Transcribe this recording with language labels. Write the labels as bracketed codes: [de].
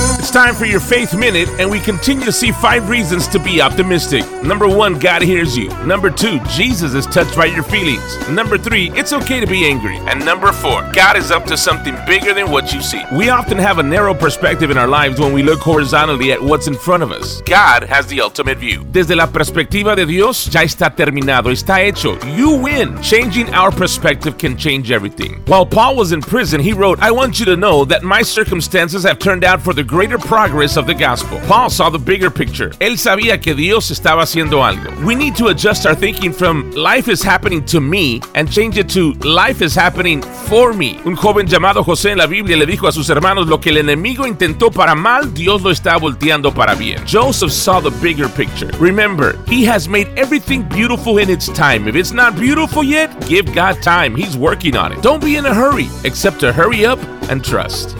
[en] it's time for your Faith Minute, and we continue to see five reasons to be optimistic. Number one, God hears you. Number two, Jesus is touched by your feelings. Number three, it's okay to be angry. And number four, God is up to something bigger than what you see. We often have a narrow perspective in our lives when we look horizontally at what's in front of us. God has the ultimate view. [es] Desde la perspectiva de Dios, ya está terminado, está hecho. [en] You win. Changing our perspective can change everything. While Paul was in prison, he wrote, I want you to know that my circumstances have turned out for the greater progress of the gospel. Paul saw the bigger picture. [es] Él sabía que Dios estaba haciendo algo. [en] We need to adjust our thinking from life is happening to me and change it to life is happening for me. [es] Un joven llamado José en la Biblia le dijo a sus hermanos lo que el enemigo intentó para mal, Dios lo está volteando para bien. [en] Joseph saw the bigger picture. Remember, he has made everything beautiful in its time. If it's not beautiful yet, give God time. He's working on it. Don't be in a hurry, except to hurry up and trust.